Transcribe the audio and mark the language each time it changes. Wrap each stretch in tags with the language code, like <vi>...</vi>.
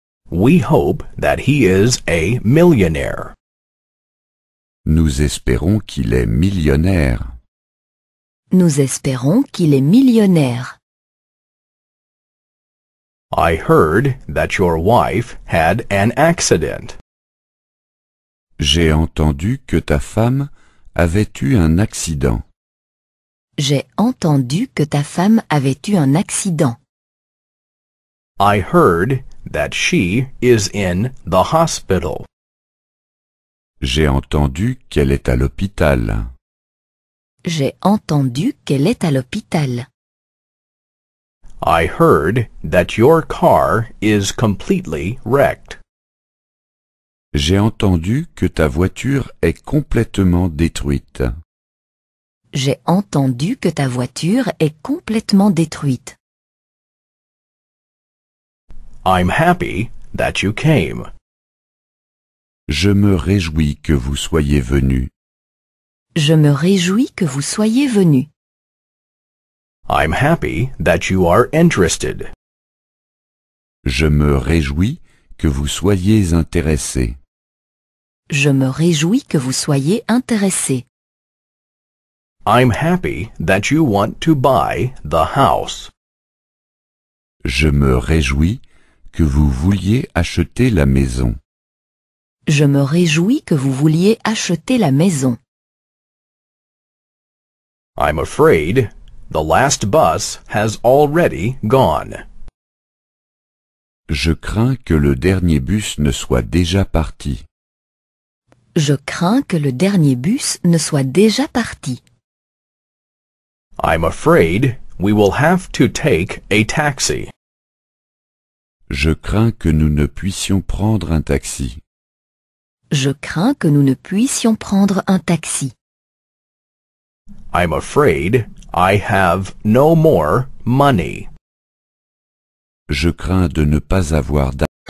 <en>We hope that he is a millionaire.</en> <fr>Nous espérons qu'il est millionnaire. Nous espérons qu'il est millionnaire.</fr> <en>I heard that your wife had an accident.</en> <fr>J'ai entendu que ta femme avait eu un accident. J'ai entendu que ta femme avait eu un accident.</fr> <en>I heard that she is in the hospital.</en> <fr>J'ai entendu qu'elle est à l'hôpital. J'ai entendu qu'elle est à l'hôpital.</fr> <en>I heard that your car is completely wrecked.</en> <fr>J'ai entendu que ta voiture est complètement détruite. J'ai entendu que ta voiture est complètement détruite.</fr> <en>I'm happy that you came.</en> <fr>Je me réjouis que vous soyez venu. Je me réjouis que vous soyez venu.</fr> <en>I'm happy that you are interested.</en> <fr>Je me réjouis que vous soyez intéressé. Je me réjouis que vous soyez intéressé.</fr> <en>I'm happy that you want to buy the house.</en> <fr>Je me réjouis que vous vouliez acheter la maison. Je me réjouis que vous vouliez acheter la maison.</fr> <en>I'm afraid the last bus has already gone.</en> <fr>Je crains que le dernier bus ne soit déjà parti. Je crains que le dernier bus ne soit déjà parti.</fr> <en>I'm afraid we will have to take a taxi.</en> <fr>Je crains que nous ne puissions prendre un taxi. Je crains que nous ne puissions prendre un taxi.</fr> <en>I'm afraid I have no more money.</en> <fr>Je crains de ne pas avoir d'argent.</fr>